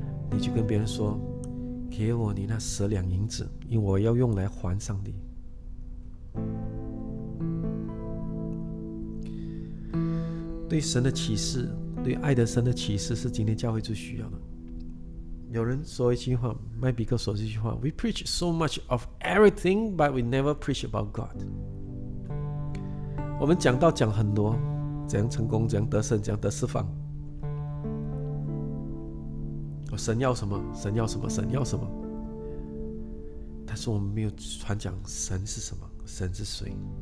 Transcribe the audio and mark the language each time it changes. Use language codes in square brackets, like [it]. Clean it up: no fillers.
[zh] 你就跟别人说，给我你那10两银子，因为我要用来还上帝。对神的启示，对爱的神的启示，是今天教会最需要的。有人说一句话，麦比克说这句话， [en] We preach so much of everything but we never preach about God。 [zh] 我们讲道讲很多，怎样成功，怎样得胜，怎样得释放，神要什么，神要什么，神要什么，但是我们没有传讲神是什么，神是谁。